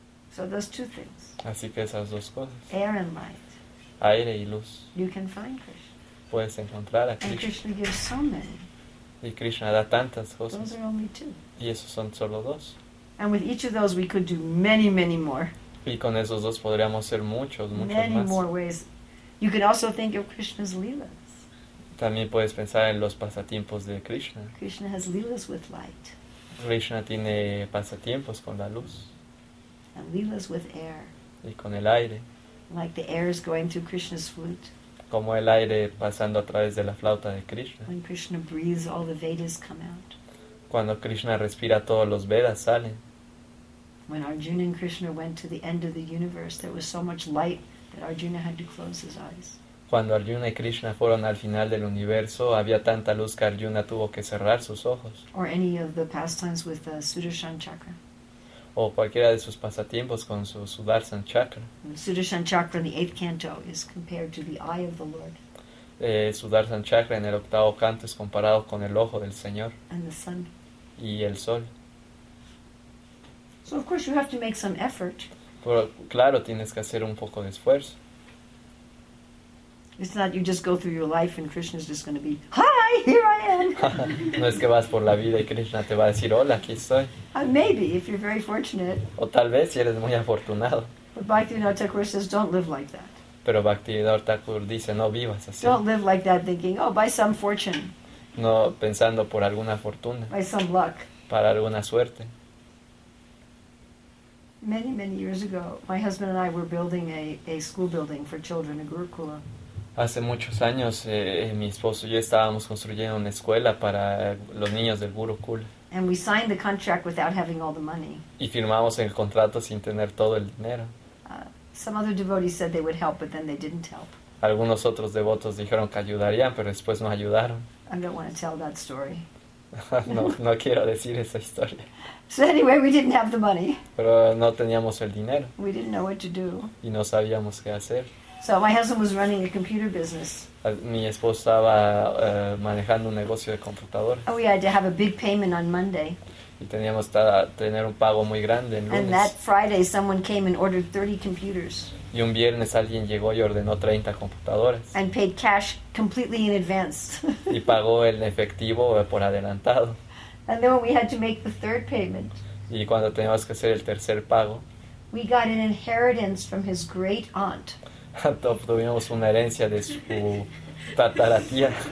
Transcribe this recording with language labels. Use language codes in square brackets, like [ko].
[en] So those two things. [es] Así que esas dos cosas. [en] Air and light. [es] Aire y luz. [en] You can find Krishna. [es] Puedes encontrar a Krishna. [en] And Krishna gives so many. [es] Y Krishna da tantas cosas. [en] Those are only two. [es] Y esos son solo dos. [en] And with each of those we could do many, many more. [es] Y con esos dos podríamos hacer muchos, muchos [en] many [es] más. [en] Many more ways. You can also think of Krishna's lilas. [es] También puedes pensar en los pasatiempos de Krishna. [en] Krishna has lilas with light. [es] Krishna tiene pasatiempos con la luz. [en] And lilas with air. [es] Y con el aire. [en] Like the air is going through Krishna's flute. [es] Como el aire pasando a través de la flauta de Krishna. [en] When Krishna breathes, all the Vedas come out. [es] Cuando Krishna respira, todos los Vedas salen. [en] When Arjuna and Krishna went to the end of the universe, there was so much light that Arjuna had to close his eyes. [es] Cuando Arjuna y Krishna fueron al final del universo, había tanta luz que Arjuna tuvo que cerrar sus ojos. [en] Or any of the pastimes with the Sudarshan Chakra. [es] O cualquiera de sus pasatiempos con su Sudarshan Chakra. [en] Sudarshan Chakra in the eighth canto is compared to the eye of the Lord. [es] Sudarshan Chakra en el octavo canto es comparado con el ojo del Señor. [en] And the sun. [es] Y el sol. [en] So of course you have to make some effort. [es] Pero, claro, tienes que hacer un poco de esfuerzo. [en] It's not you just go through your life and Krishna's just going to be, hi, here I am. [es] No es que vas por la vida y Krishna te va a decir, hola, aquí estoy. [en] Maybe, if you're very fortunate. [es] O tal vez, si eres muy afortunado. [en] But Bhaktivinoda Thakur says, don't live like that. [es] Pero Bhaktivinoda Thakur dice, no vivas así. [en] Don't live like that thinking, oh, by some fortune. [es] No, pensando por alguna fortuna. [en] By some luck. [es] Para alguna suerte. [en] Many, many years ago, my husband and I were building a school building for children, a gurukula. [es] Hace muchos años, mi esposo y yo estábamos construyendo una escuela para los niños del Gurukul. [en] And we signed the contract without having all the money. [es] Y firmamos el contrato sin tener todo el dinero. [en] Some other devotees said they would help, but then they didn't help. [es] Algunos otros devotos dijeron que ayudarían, pero después no ayudaron. [en] I don't want to tell that story. [es] No quiero decir esa historia. [en] So anyway, we didn't have the money. [es] Pero no teníamos el dinero. [en] We didn't know what to do. [es] Y no sabíamos qué hacer. [en] So my husband was running a computer business. [es] Mi esposo estaba manejando un negocio de computadoras. [en] And we had to have a big payment on Monday. [es] Y teníamos que tener un pago muy grande el lunes. [en] And that Friday someone came and ordered 30 computers. [es] Y un viernes alguien llegó y ordenó 30 computadoras. [en] And paid cash completely in advance. [es] Y pagó el efectivo por adelantado. [en] And then we had to make the third payment. [es] Y cuando teníamos que hacer el tercer pago. [en] We got an inheritance from his great aunt. [es] Obtuvimos una herencia de su tataratía.